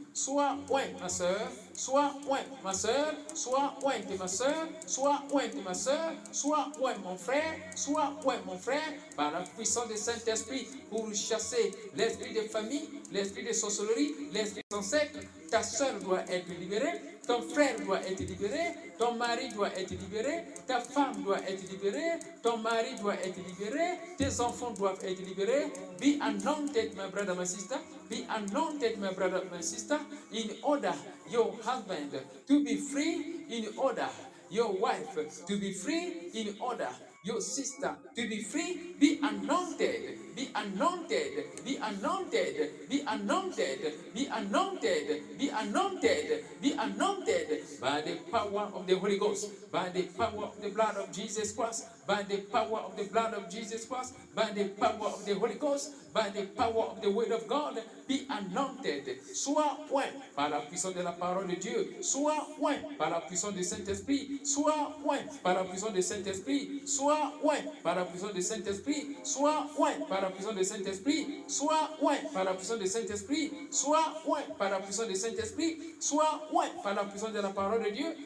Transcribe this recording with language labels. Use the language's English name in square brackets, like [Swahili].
[French] Sois oint, ma soeur, sois oint, ma soeur, sois oint, ma soeur, sois oint, ma soeur, sois oint, mon frère, sois oint, mon frère, par la puissance du Saint-Esprit, pour chasser l'esprit de famille, l'esprit de sorcellerie, l'esprit de ancêtres. Ta soeur doit être libérée, ton frère doit être libéré, ton mari doit être libéré, ta femme doit être libérée, ton mari doit être libéré, tes enfants doivent être libérés. [English] Be anointed, my brother, my sister. Be anointed, my brother, my sister. In order your husband to be free, in order your wife to be free, in order your sister to be free, be anointed, be anointed, be anointed, be anointed, be anointed, be anointed, be anointed by the power of the Holy Ghost, by the power of the blood of Jesus Christ, by the power of the blood of Jesus Christ, by the power of the Holy Ghost, by the power of the Word of God, be anointed. [French] Sois oint par la puissance de la parole de Dieu. Sois oint par la puissance du Saint-Esprit. Sois oint par la puissance du Saint-Esprit. Sois oint par la puissance du Saint-Esprit. Sois oint par la puissance du Saint-Esprit. Sois oint par la puissance du Saint-Esprit. Sois oint par la puissance du Saint-Esprit. Sois oint par la puissance de la parole de Dieu.